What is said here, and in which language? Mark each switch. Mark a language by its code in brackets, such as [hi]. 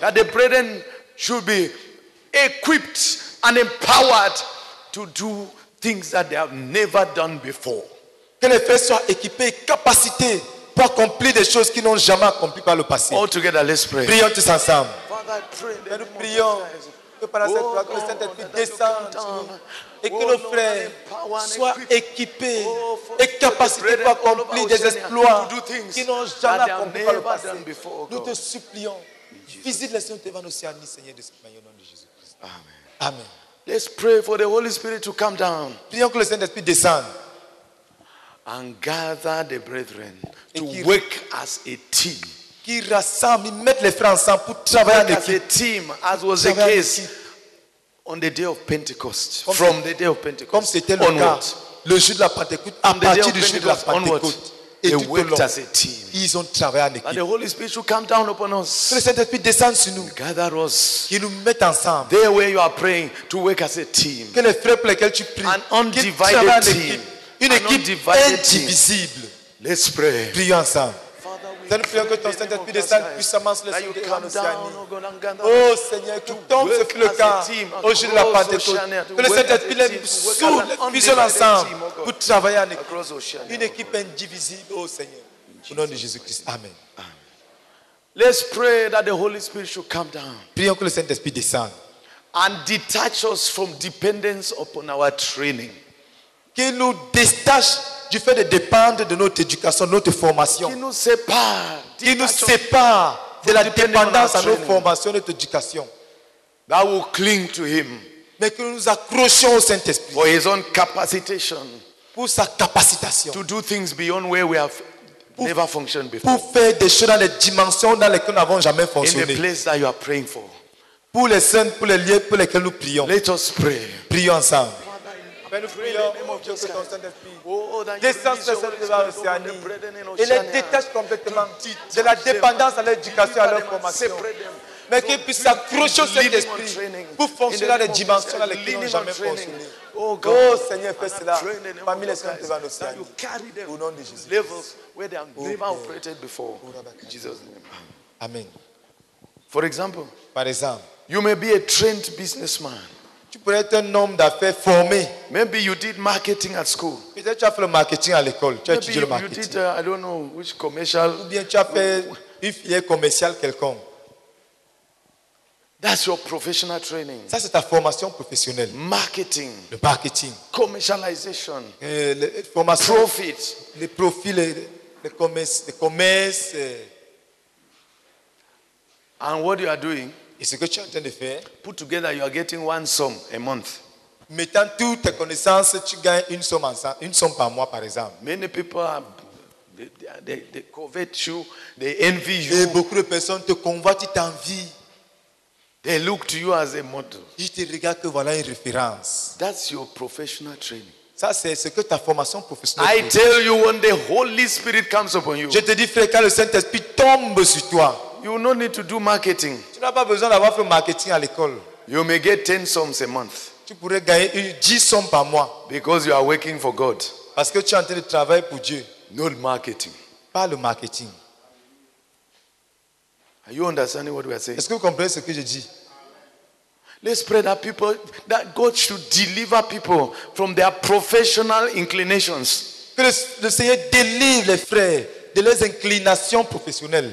[en] that the brethren should be equipped and empowered to do things that they have never done before. [fr] Que les frères soient équipés, capacités pour accomplir des choses qu'ils n'ont jamais accomplies par le passé. [en] All together, let's pray. [fr] Prions tous ensemble. [en] Father, [fr] nous prions que par la sainte gloire, que le Saint-Esprit descende et que nos frères soient équipés et capacités pour accomplir des exploits qu'ils n'ont jamais accomplis par le passé. Nous te supplions, visite les saints devant nos saints, Seigneur, de ce au nom de Jésus-Christ. Amen. Amen. [en] Let's pray for the Holy Spirit to come down. [fr] Prions que le Saint-Esprit descende. [en] And gather the brethren to work as a team. [fr] Qui rassemble, mettre les frères ensemble pour travailler en équipe. [en] As a team, as was the case on the day of Pentecost. From the day of Pentecost. [fr] Comme c'était le cas le jour de la Pentecôte. À partir du jour de la Pentecôte. [en] They worked as a team. [fr] Ils ont travaillé en équipe. [en] And the Holy Spirit should come down upon us. [fr] Que le Saint-Esprit descende sur nous. [en] Gather us. [fr] Qu'ils nous mettent ensemble. [en] There where you are praying to work as a team. [fr] Que les frères pour lesquels tu pries. [en] An undivided team. [fr] Une équipe, indivisible. [en] Let's pray. [fr] Prions ensemble. [en] Father, [fr] nous prions que ton Saint-Esprit descende puissamment sur les cieux de l'Océanie. Oh Seigneur, que tombe ce fut le cas au jour de la Pentecôte. Que le Saint-Esprit les soude, les fusionne ensemble pour travailler en équipe. Une équipe indivisible, oh Seigneur. Au nom de Jésus-Christ. Amen. [en] Let's pray that the Holy Spirit should come down. [fr] Prions que le Saint-Esprit descende. [en] And detach us from dependence upon our training. [fr] Qu'il nous détache du fait de dépendre de notre éducation, notre formation. Qui nous sépare, qui nous sépare de la dépendance à nos formations, notre éducation. [en] That will cling to him. [fr] Mais que nous accrochions au Saint-Esprit. [en] For his own capacitation. [fr] Pour sa capacitation. [en] To do things beyond where we have never functioned before. [fr] Pour faire des choses dans les dimensions dans lesquelles nous n'avons jamais fonctionné. [en] In the place that you are praying for. [fr] Pour les saints, pour les lieux pour lesquels nous prions. [en] Let us pray. [fr] Prions ensemble. Et les détache complètement de la dépendance à l'éducation, à leur formation. mais qu'il puisse accrocher au Saint-Esprit pour fonctionner dans les dimensions dans lesquelles nous n'avons jamais fonctionné. [en] Oh, God, [fr] oh Seigneur, fais cela parmi les saints de la nostalgie. [en] You carry them to levels where they have never operated before. In Jesus' name. Amen. For example, [fr] par exemple, [en] you may be a trained businessman. [fr] Tu pourrais être un homme d'affaires formé. [en] Maybe you did marketing at school. [fr] Peut-être tu as fait le marketing à l'école. Tu as étudié le marketing. [en] You did, I don't know, which commercial. [fr] Ou bien tu as fait une filière commerciale quelconque. [en] That's your professional training. [fr] Ça, c'est ta formation professionnelle. [en] Marketing. [fr] Le marketing. [en] Commercialization. [fr] Les formations. [en] Profit. [fr] Les profits, les commerces. [en] And what you are doing? [fr] Et ce que tu es en train de faire? [en] Put together, you are getting one sum a month. [fr] Mettant toutes tes connaissances, tu gagnes une somme par mois, par exemple. [en] Many people are, they covet you, they envy you. [fr] Et beaucoup de personnes te convoitent, ils t'envient. [en] They look to you as a model. [fr] Ils te regardent que voilà une référence. [en] That's your professional training. [fr] Ça, c'est ce que ta formation professionnelle. [en] I tell you, when the Holy Spirit comes upon you. [fr] Je te dis, frère, quand le Saint-Esprit tombe sur toi. [en] You no need to do marketing. [fr] Tu n'as pas besoin d'avoir fait marketing à l'école. [en] You may get 10 sums a month. [fr] Tu pourrais gagner 10 sommes par mois. [en] Because you are working for God. [fr] Parce que tu es en train de travailler pour Dieu. [en] No marketing. [fr] Pas le marketing. [en] Are you understanding what we are saying? [fr] Est-ce que vous comprenez ce que je dis? [en] Let's pray that people, that God should deliver people from their professional inclinations. [fr] Que le Seigneur délivre les frères de leurs inclinations professionnelles.